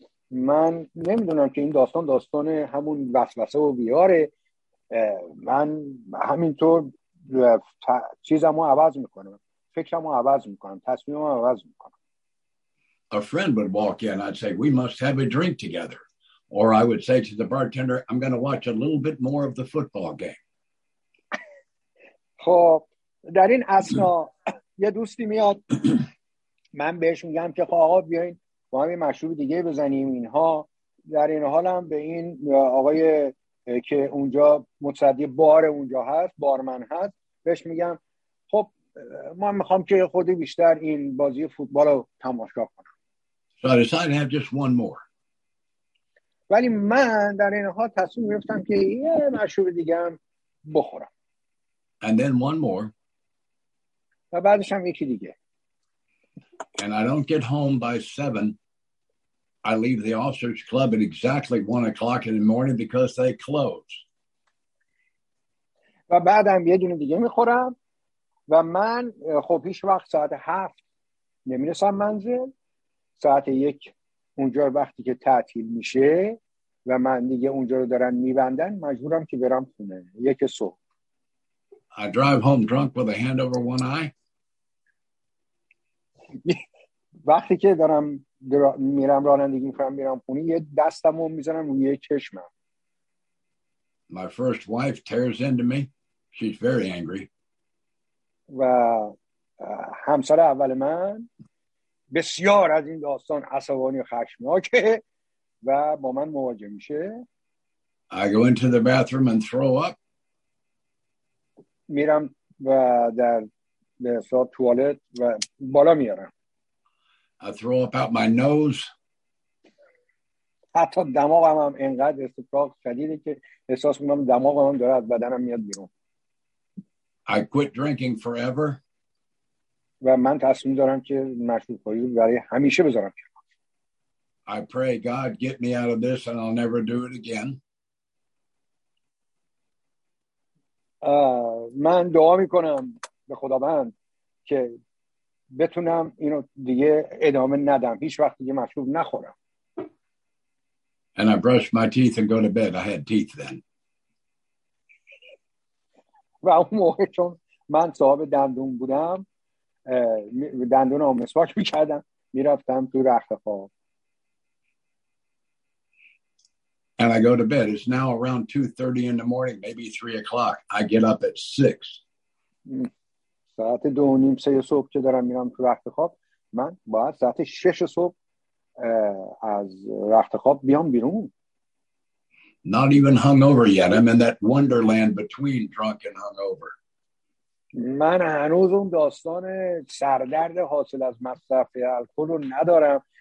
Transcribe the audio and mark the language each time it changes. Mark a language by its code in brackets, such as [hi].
[fa] من نمیدونم که این داستان همون وسوسه و بیاره. من همینطور چیزمو عوض میکنم، فکرمو عوض میکنم، تصمیممو عوض میکنم. [en] A friend would walk in, I'd say we must have a drink together, or I would say to the bartender I'm going to watch a little bit more of the football game. [fa] خب در این اثنا یه دوستی میاد، من بهش میگم که خب آقا بیاین با هم یه مشروب دیگه بزنیم اینها. در این حال هم به این آقای که اونجا متصدی بار اونجا هست، بارمن هست، بهش میگم خب ما میخوام که خودی بیشتر این بازی فوتبال رو تماشا کنم. [en] So I decided to have just one more. [fa] ولی من در این حال تصمیم گرفتم که یه مشروب دیگه هم بخورم. [en] And then one more. [fa] و بعدش هم یکی دیگه. [en] And I don't get home by 7. I leave the officers club at exactly 1:00 in the morning because they close. [fa] و بعدم یه دونه دیگه میخورم و من خب هیچ وقت ساعت 7 نمیرسم منزل، ساعت یک اونجا وقتی که تعطیل میشه و من دیگه اونجا رو دارن میبندن، مجبورم که برم خونه یک صبح. [en] I drive home drunk with a hand over one eye. [fa] وقتی که دارم میرم رانندگی میکنم میرم خونه، یه دستمو میذارم روی چشمم. [en] My first wife tears into me. She's very angry. [fa] و همسر اول من بسیار از این داستان عصبانی و خشمناکه و با من مواجه میشه. [en] I go into the bathroom and throw up. [fa] میرم و در به حساب توالت و بالا میارم. [en] I throw up out my nose. [fa] حتی دماغم هم اینقدر استفراغ شدیده که احساس میکنم دماغم هم داره از بدنم میاد بیرون. [en] I quit drinking forever. [fa] و من تصمیم دارم که مشروب خوری برای همیشه بذارم. [en] I pray God get me out of this and I'll never do it again. [fa] من دعا میکنم به خداوند که بتونم اینو دیگه ادامه ندم، هیچ وقت دیگه مشروب نخورم. [en] And I brush my teeth and go to bed. I had teeth then. [fa] و اون موقع چون من صاحب دندون بودم، دندونم مسواک میکردم، میرفتم تو رخت خواب. [en] And I go to bed. It's now around 2:30 in the morning, maybe 3 o'clock. I get up at 6. [fa] ساعت 2:30 صبح که دارم میرم تو رخت خواب، من باید ساعت 6 صبح از رخت خواب بیام بیرون. [en] Not even hungover yet. I'm in that wonderland between drunk and hungover. [fa] من هنوز اون داستان سردرد حاصل از مصرف الکل رو ندارم.